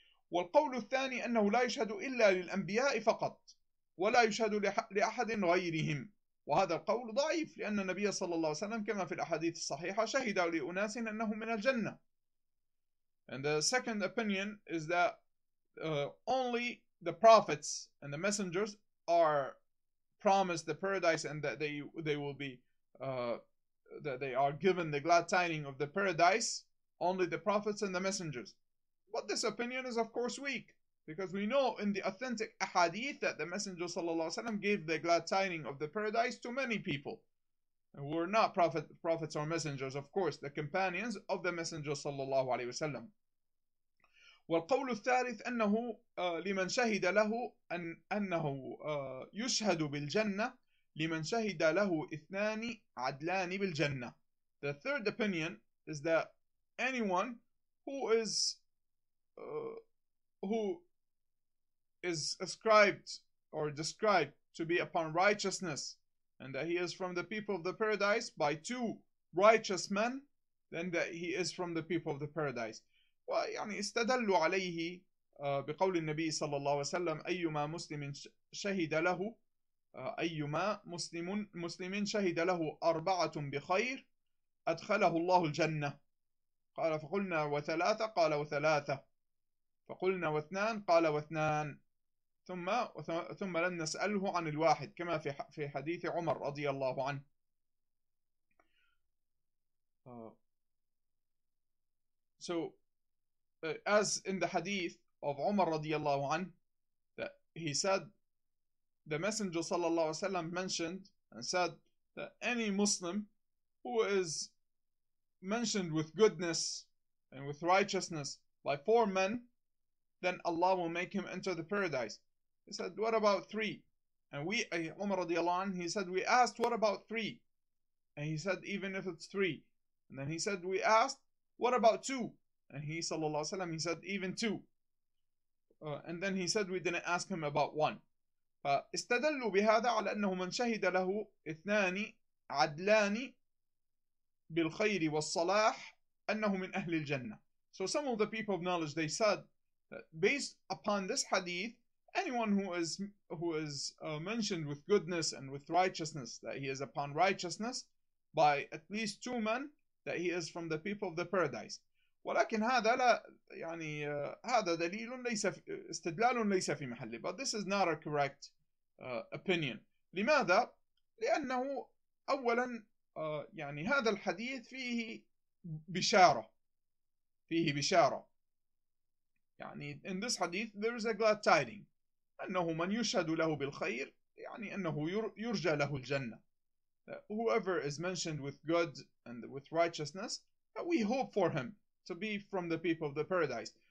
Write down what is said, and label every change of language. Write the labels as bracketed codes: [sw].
[ar] والقول الثاني أنه لا يشهد إلا للأنبياء فقط ولا يشهد لأحد غيرهم. وهذا القول ضعيف لأن النبي صلى الله عليه وسلم كما في الأحاديث الصحيحة شهد لأناس أنه من الجنة. [en] And the second opinion is that only the prophets and the messengers are promised the paradise and that they will be that they are given the glad tidings of the paradise, only the prophets and the messengers. But this opinion is of course weak, because we know in the authentic ahadith that the Messenger sallallahu alaihi wasallam gave the glad tidings of the paradise to many people who were not prophets or messengers, of course the companions of the Messenger sallallahu alaihi wasallam. [ar] والقول الثالث أنه لمن شهد له أنه يشهد بالجنة لمن شهد له اثنان عدلان بالجنة. [en] The third opinion is that anyone who is ascribed or described to be upon righteousness and that he is from the people of the paradise by two righteous men, then that he is from the people of the paradise. [ar] ويعني استدلوا عليه بقول النبي صلى الله عليه وسلم أيما مسلم شهد له أيما مسلم شهد له أربعة بخير أدخله الله الجنة. قال فقلنا وثلاثة قال وثلاثة فقلنا واثنان قال واثنان ثم لن نسأله عن الواحد كما في حديث عمر رضي الله عنه. [en] So as in the hadith of Umar radiyallahu an, that he said, the Messenger sallallahu alaihi wasallam mentioned and said that any Muslim who is mentioned with goodness and with righteousness by four men, then Allah will make him enter the paradise. He said, what about three? And we, Umar radiyallahu an, he said, we asked, what about three? And he said, even if it's three. And then he said, we asked, what about two? And he, sallallahu alaihi wasallam, he said, even two. And then he said, we didn't ask him about one. [ar] فاستدلوا بهذا على أنه من شهد له اثنان عدلان بالخير والصلاح أنه من أهل الجنة. [en] So some of the people of knowledge, they said, that based upon this hadith, anyone who is mentioned with goodness and with righteousness, that he is upon righteousness, by at least two men, that he is from the people of the paradise. [ar] ولكن هذا لا يعني هذا دليل ليس استدلال ليس في محله. [en] But this is not a correct opinion. [ar] لماذا؟ لأنه أولا يعني هذا الحديث فيه بشارة. فيه بشارة. [en] يعني in this hadith there is a glad tiding. [ar] أنه من يشهد له بالخير يعني أنه يرجى له الجنة. [en] Whoever is mentioned with good and with righteousness, we hope for him to be from the people of the paradise.